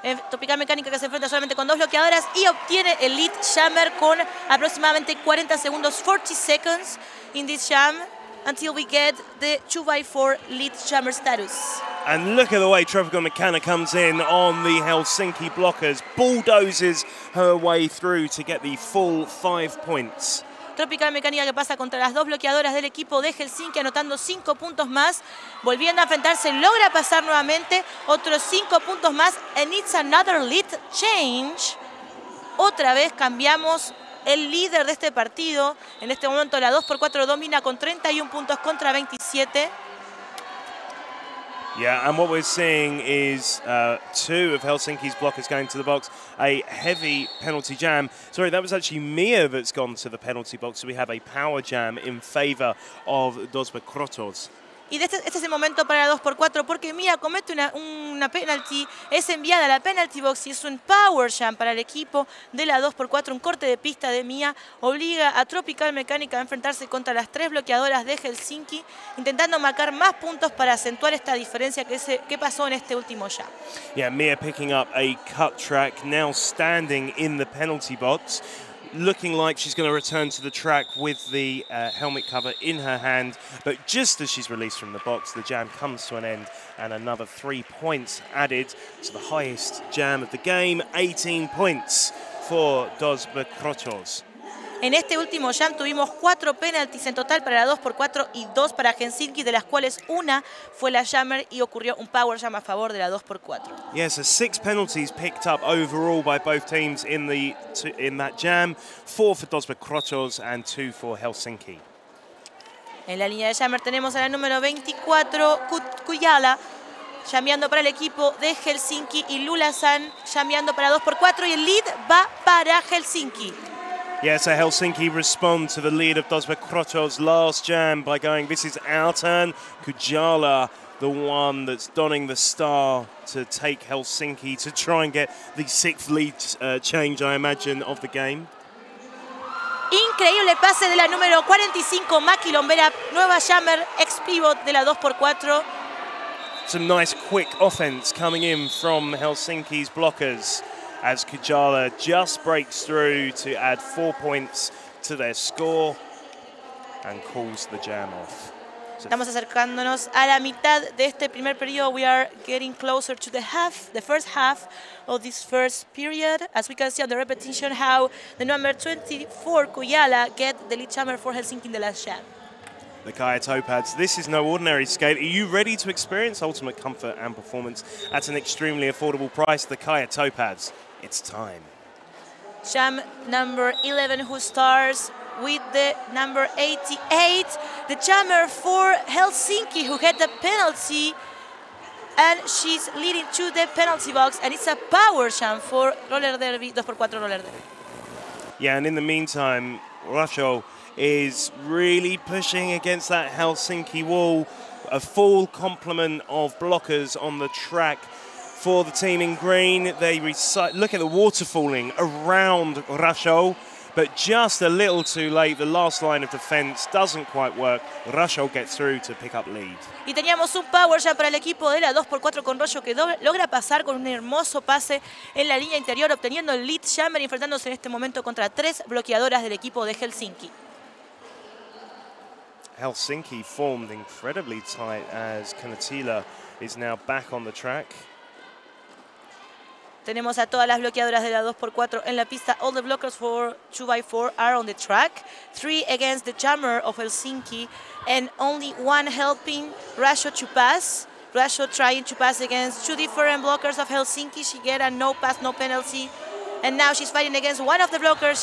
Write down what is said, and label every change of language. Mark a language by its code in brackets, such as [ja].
[es] Tropical Mecánica que se enfrenta solamente con 2 bloqueadoras y obtiene el lead jammer con aproximadamente 40 segundos, [en] 40 seconds in this jam until we get the 2x4 lead jammer status. And look at the way Tropical Mecánica comes in on the Helsinki blockers, bulldozes her way through to get the full 5 points. [es] Tropical Mecánica que pasa contra las 2 bloqueadoras del equipo de Helsinki anotando 5 puntos más. Volviendo a enfrentarse, logra pasar nuevamente otros 5 puntos más. [en] And it's another lead change. [es] Otra vez cambiamos el líder de este partido. En este momento la 2x4 domina con 31 puntos contra 27. [en] Yeah, and what we're seeing is 2 of Helsinki's blockers going to the box. A heavy penalty jam. Sorry, that was actually Mia that's gone to the penalty box. So we have a power jam in favor of Dos Cuartos. [es] Y este es el momento para la 2x4 porque Mia comete una penalty, es enviada a la penalty box y es un power jam para el equipo de la 2x4. Un corte de pista de Mia obliga a Tropical Mecánica a enfrentarse contra las 3 bloqueadoras de Helsinki intentando marcar más puntos para acentuar esta diferencia que pasó en este último jam. [en] Yeah, Mia picking up a cut track, now standing in the penalty box. Looking like she's going to return to the track with the helmet cover in her hand. But just as she's released from the box, the jam comes to an end and another 3 points added to the highest jam of the game, 18 points for Dos Cuartos. [es] En este último jam tuvimos 4 penalties en total para la 2x4 y 2 para Helsinki, de las cuales una fue la jammer y ocurrió un power jam a favor de la 2x4. [en] Yes, so 6 penalties picked up overall by both teams in that jam. 4 for Dos Cuartos and 2 for Helsinki. [es] En la línea de jammer tenemos a la número 24, Kujala, jammeando para el equipo de Helsinki y Lula-san jammeando para 2x4 y el lead va para Helsinki. [en] Yeah, so Helsinki respond to the lead of Dos Cuartos' last jam by going, this is our turn. Kujala, the one that's donning the star to take Helsinki to try and get the 6th lead change, I imagine, of the game. [es] Increíble pase de la número 45, Maki Lombera, nueva jammer, ex-pivot de la 2x4. [en] Some nice quick offense coming in from Helsinki's blockers, as Kujala just breaks through to add 4 points to their score and calls the jam off. [es] Estamos acercándonos a la mitad de este primer periodo. [en] We are getting closer to the half, the first half of this first period. As we can see on the repetition, how the number 24, Kujala, get the lead jammer for Helsinki in the last jam. The Kaya Topaz, this is no ordinary skate. Are you ready to experience ultimate comfort and performance at an extremely affordable price? The Kaya Topaz, it's time. Jam number 11, who starts with the number 88, the jammer for Helsinki, who had the penalty, and she's leading to the penalty box, and it's a power jam for Roller Derby, 2x4 Roller Derby. Yeah, and in the meantime, Russia is really pushing against that Helsinki wall, a full complement of blockers on the track. For the team in green, they look at the water falling around Rasho, but just a little too late. The last line of defense doesn't quite work. Rasho gets through to pick up lead. [es] Y teníamos un power jam para el equipo de la 2x4 con Rasho, que logra pasar con un hermoso pase en la línea interior, obteniendo el lead jammer, enfrentándose en este momento contra tres bloqueadoras del equipo de Helsinki. [en] Helsinki formed incredibly tight as Kanatila is now back on the track. [es] Tenemos a todas las bloqueadoras de la 2x4 en la pista. [en] All the blockers for 2x4 are on the track. Three against the jammer of Helsinki and only one helping Rasho to pass. Rasho trying to pass against two different blockers of Helsinki. She get a no pass, no penalty. And now she's fighting against one of the blockers.